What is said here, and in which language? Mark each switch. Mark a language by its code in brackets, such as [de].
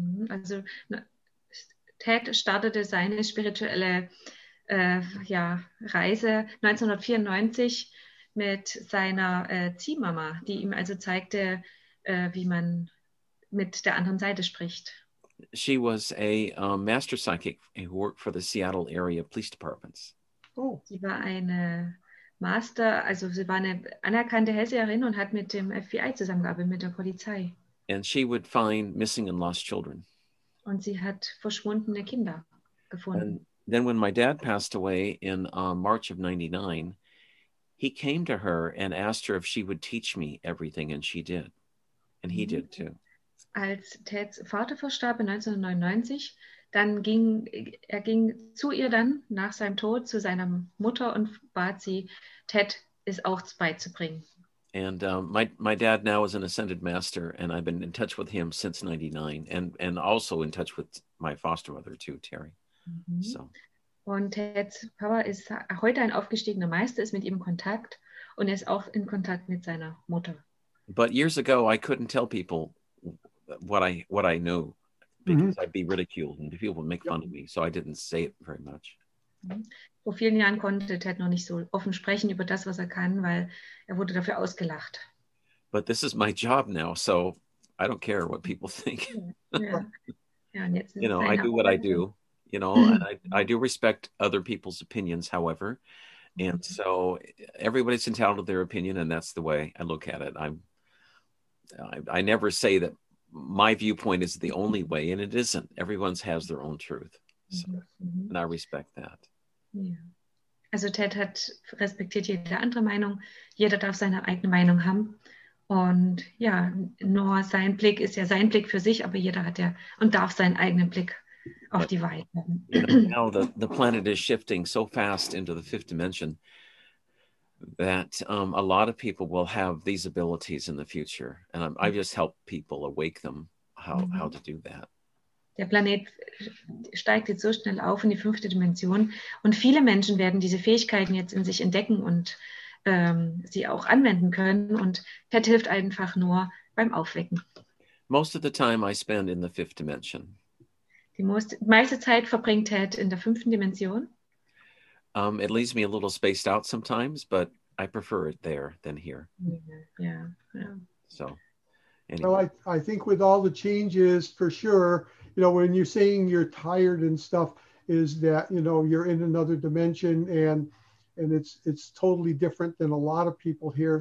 [de] Also Ted startete seine spirituelle Reise 1994 mit seiner Ziehmama, die ihm also zeigte, wie man mit der anderen Seite spricht. [en] She was a master psychic who worked for the Seattle area police departments. Oh. [de] Sie war eine Master, also sie war eine anerkannte Hellseherin und hat mit dem FBI zusammengearbeitet, mit der Polizei. [en] And she would find missing and lost children. [de] Und sie hat verschwundene Kinder gefunden. [en] And then when my dad passed away in March of 99, he came to her and asked her if she would teach me everything, and she did. And he did too. [de] Als Teds Vater verstarb in 1999, ging er zu ihr dann nach seinem Tod zu seiner Mutter und bat sie, Ted es auch beizubringen. [en] And my dad now is an ascended master, and I've been in touch with him since 99, and also in touch with my foster mother too, Terry. So. [de] Und Teds Papa ist heute ein aufgestiegener Meister, ist mit ihm in Kontakt und ist auch in Kontakt mit seiner Mutter. [en] But years ago, I couldn't tell people what I knew because I'd be ridiculed and people would make fun of me, so I didn't say it very much. [de] Vor vielen Jahren konnte Ted noch nicht so offen sprechen über das, was er kann, weil er wurde dafür ausgelacht. [en] But this is my job now, so I don't care what people think. Yeah, you know, I do what I do. You know, I do respect other people's opinions, however, and so everybody's entitled to their opinion, and that's the way I look at it. I never say that my viewpoint is the only way, and it isn't. Everyone's has their own truth, so, and I respect that. Yeah. [de] Also Ted hat respektiert jede andere Meinung. Jeder darf seine eigene Meinung haben, und ja, nur sein Blick ist ja sein Blick für sich, aber jeder hat ja und darf seinen eigenen Blick. [en] But, you know, now the planet is shifting so fast into the fifth dimension that a lot of people will have these abilities in the future, and I just help people awake them how to do that. [de] Der Planet steigt jetzt so schnell auf in die fünfte Dimension, und viele Menschen werden diese Fähigkeiten jetzt in sich entdecken und sie auch anwenden können. Und Ted hilft einfach nur beim Aufwecken. [en] Most of the time I spend in the fifth dimension. [de] Die meiste Zeit verbringt Ted in der fünften Dimension. [en] It leaves me a little spaced out sometimes, but I prefer it there than here. Yeah. So, anyway. Well, I think with all the changes, for sure, you know, when you're saying you're tired and stuff, is that, you know, you're in another dimension, and it's totally different than a lot of people here.